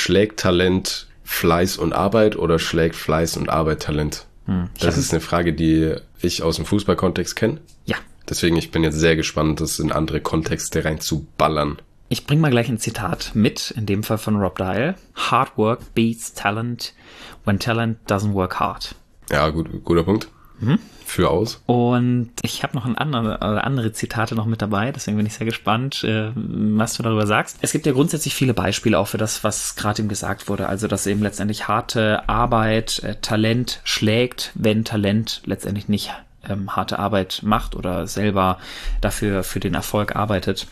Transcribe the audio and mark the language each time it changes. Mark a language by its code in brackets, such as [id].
[de] Schlägt Talent Fleiß und Arbeit oder schlägt Fleiß und Arbeit Talent? Ich Das habe ist eine Frage, die ich aus dem Fußballkontext kenne. Deswegen, ich bin jetzt sehr gespannt, das in andere Kontexte reinzuballern. Ich bring mal gleich ein Zitat mit, in dem Fall von Rob Dial. [en] Hard work beats talent when talent doesn't work hard. [de] Ja, gut, guter Punkt. Für aus. Und ich habe noch andere Zitate noch mit dabei, deswegen bin ich sehr gespannt, was du darüber sagst. Es gibt ja grundsätzlich viele Beispiele auch für das, was gerade eben gesagt wurde. Also, dass eben letztendlich harte Arbeit Talent schlägt, wenn Talent letztendlich nicht harte Arbeit macht oder selber dafür für den Erfolg arbeitet.